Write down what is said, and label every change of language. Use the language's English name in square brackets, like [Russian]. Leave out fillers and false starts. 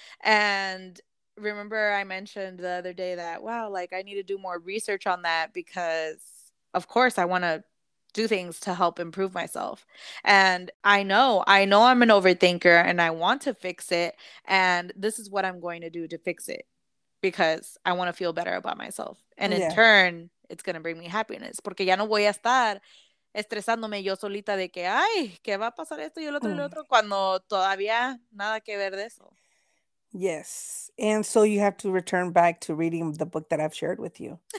[English] And remember I mentioned the other day that, wow, like I need to do more research on that because of course I want to do things to help improve myself. And I know I'm an overthinker and I want to fix it. And this is what I'm going to do to fix it because I want to feel better about myself. And in turn, it's going to bring me happiness. [Spanish] Porque ya no voy a estar estresándome yo solita de que, ay, ¿qué va a pasar esto y el otro y el otro? Cuando todavía nada que ver de eso. [English] Yes, and so you have to return back to reading the book that I've shared with you.